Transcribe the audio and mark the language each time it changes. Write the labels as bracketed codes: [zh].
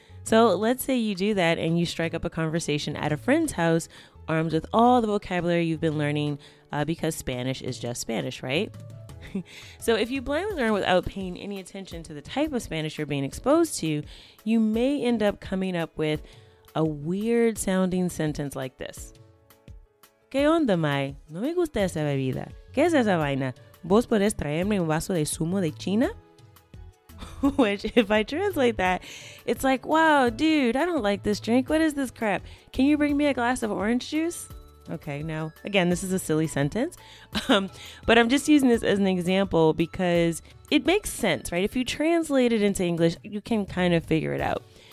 [en] So let's say you do that and you strike up a conversation at a friend's house armed with all the vocabulary you've been learning because Spanish is just Spanish, right? So if you blindly learn without paying any attention to the type of Spanish you're being exposed to, you may end up coming up with a weird sounding sentence like this. [es] ¿Qué onda, mai? No me gusta esa bebida. ¿Qué es esa vaina? ¿Vos podés traerme un vaso de zumo de China? [en] Which, if I translate that, it's like, wow, dude, I don't like this drink. What is this crap? Can you bring me a glass of orange juice? Okay, now, again, this is a silly sentence. But I'm just using this as an example because it makes sense, right? If you translate it into English, you can kind of figure it out.